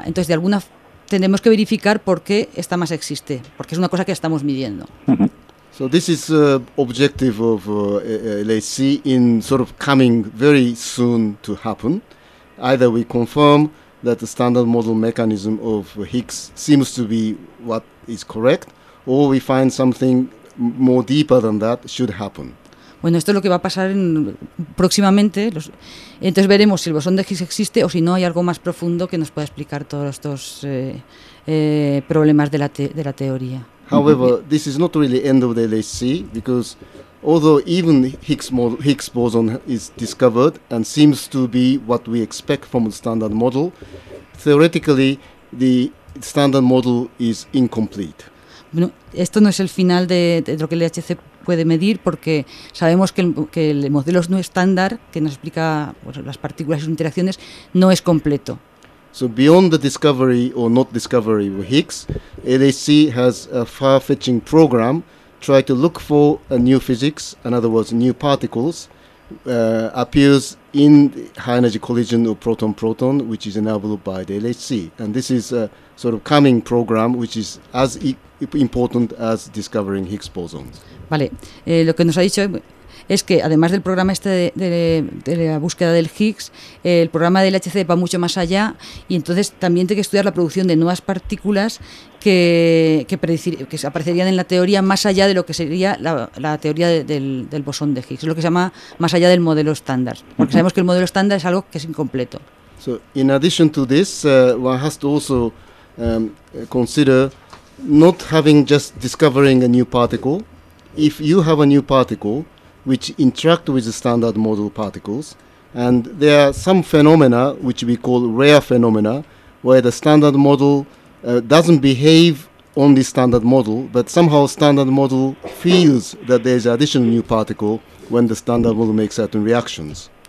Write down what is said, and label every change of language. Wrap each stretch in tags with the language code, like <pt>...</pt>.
<es>Entonces, de alguna tenemos que verificar por qué esta masa existe, porque es una cosa que estamos midiendo.</es> <en>So this is the objective of LHC in sort of coming very soon to happen. Either we confirm that the standard model mechanism of Higgs seems to be what is correct, or we find something more deeper than that should happen.</en> <es>Bueno, esto es lo que va a pasar próximamente. Entonces veremos si el bosón de Higgs existe o si no hay algo más profundo que nos pueda explicar todos estos problemas de la teoría.</es> <en>However, this is not really end of the LHC, because although even Higgs boson is discovered and seems to be what we expect from the standard model, theoretically the standard model is incomplete.</en> <es>Bueno, esto no es el final de lo que el LHC puede medir, porque sabemos que el modelo no estándar, que nos explica las partículas y sus interacciones, no es completo.</es> <en>So beyond the discovery or not discovery of Higgs, LHC has a far-fetching program, try to look for a new physics, in other words, new particles, appears in high energy collision of proton-proton, which is enabled by the LHC. And this is a sort of coming program, which is as important as discovering Higgs bosons.</en> <es>Vale. Lo que nos ha dicho es que además del programa este de la búsqueda del Higgs, el programa del LHC va mucho más allá y entonces también tiene que estudiar la producción de nuevas partículas que aparecerían en la teoría más allá de lo que sería la teoría del bosón de Higgs, lo que se llama más allá del modelo estándar, porque uh-huh. sabemos que el modelo estándar es algo que es incompleto.</es> <en>So in addition to this, one has to also consider not having just discovering a new particle. If you have a new particle which interact with the standard model particles, and there are some phenomena which we call rare phenomena, where the standard model doesn't behave on the standard model, but somehow standard model feels that there's an additional new particle when the standard model makes certain reactions.</en>